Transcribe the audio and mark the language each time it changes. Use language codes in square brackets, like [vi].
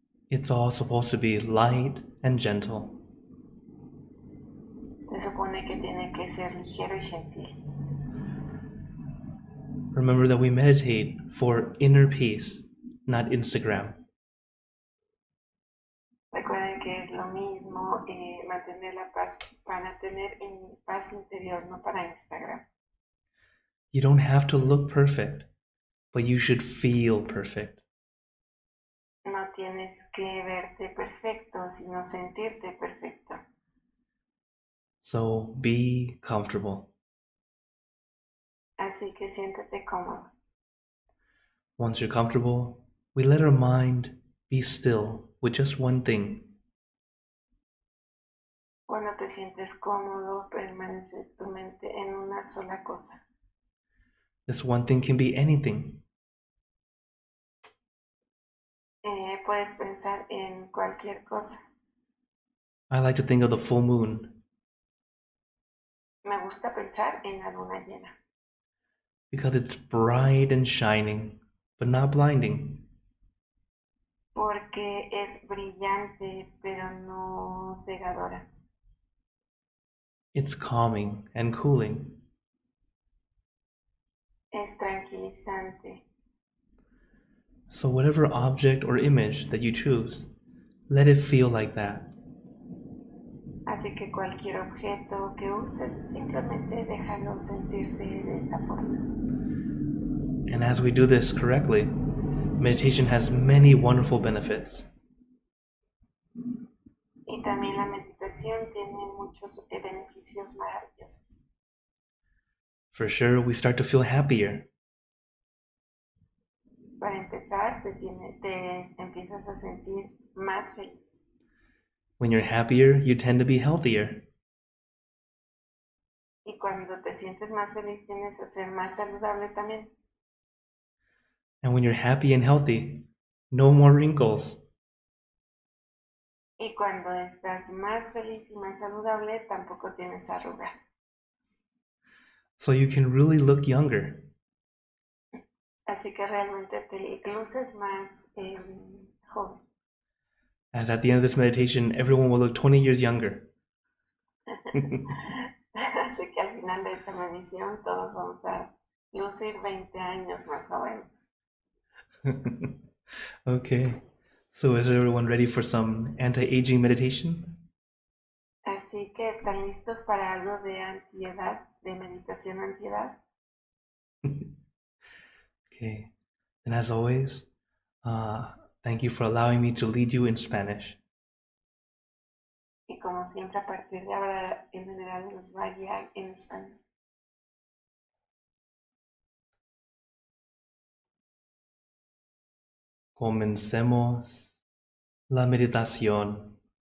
[en] It's all supposed to be light and gentle. [es] Se supone que tiene que ser ligero y gentil. [en] Remember that we meditate for inner peace, not Instagram. [es] Recuerden que es lo mismo mantener la paz para tener en paz interior, no para Instagram. [en] You don't have to look perfect, but you should feel perfect. [es] No tienes que verte perfecto, sino sentirte perfecto. [en] So, be comfortable. [es] Así que siéntete cómodo. [en] Once you're comfortable, we let our mind be still with just one thing. [es] Cuando te sientes cómodo, permanece tu mente en una sola cosa. [en] This one thing can be anything. [es] Puedes pensar en cualquier cosa. [en] I like to think of the full moon. [es] Me gusta pensar en la luna llena. [en] Because it's bright and shining, but not blinding. [es] Porque es brillante, pero no cegadora. [en] It's calming and cooling. [es] Es tranquilizante. [en] So whatever object or image that you choose, let it feel like that. [es] Así que cualquier objeto que uses, simplemente déjalo sentirse de esa forma. [en] And as we do this correctly, meditation has many wonderful benefits. [es] Y también la meditación tiene muchos beneficios maravillosos. [en] For sure, we start to feel happier. [es] Para empezar, te empiezas a sentir más feliz. [en] When you're happier, you tend to be healthier. [es] Y cuando te sientes más feliz, tienes a ser más saludable también. [en] And when you're happy and healthy, no more wrinkles. [es] Y cuando estás más feliz y más saludable, tampoco tienes arrugas. [en] So you can really look younger. [es] Así que realmente te luces más joven. [en] as at the end of this meditation, everyone will look 20 years younger. [es] Así que al final de esta medición, todos vamos a lucir 20 años más jóvenes. [en] Okay, so is everyone ready for some anti-aging meditation? [es] Así que están listos para algo de antiedad, de meditación antiedad. [en] Okay, and as always, thank you for allowing me to lead you in Spanish. [es] Y como siempre, a partir de ahora, en general, nos va a guiar en español. Comencemos la meditación.